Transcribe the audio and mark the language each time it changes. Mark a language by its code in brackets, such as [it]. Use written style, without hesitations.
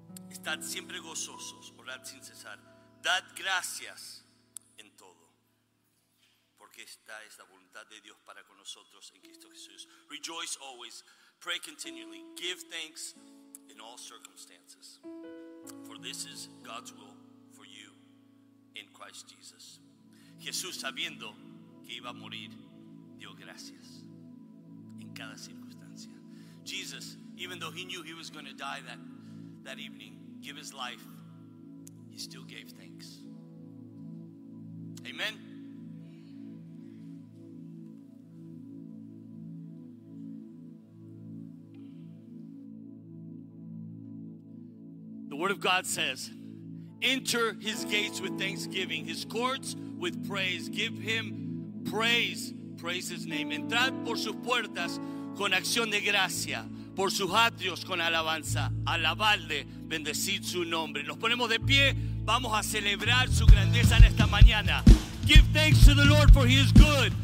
[es] Estad siempre gozosos, orad sin cesar, dad gracias en todo, porque esta es la voluntad de Dios para con nosotros en Cristo Jesús. [en] Rejoice always, pray continually, give thanks in all circumstances, for this is God's will for you in Christ Jesus. [es] Jesús, sabiendo que iba a morir, dio gracias en cada circunstancia. [en] Jesus, even though he knew he was going to die that evening, give his life, he still gave thanks. Amen. The word of God says, enter his gates with thanksgiving, his courts with praise. Give him praise. Praise his name. [es] Entrad por sus puertas con acción de gracia, por sus atrios con alabanza, alabadle, bendecid su nombre. Nos ponemos de pie, vamos a celebrar su grandeza en esta mañana. [en] Give thanks to the Lord for he is good.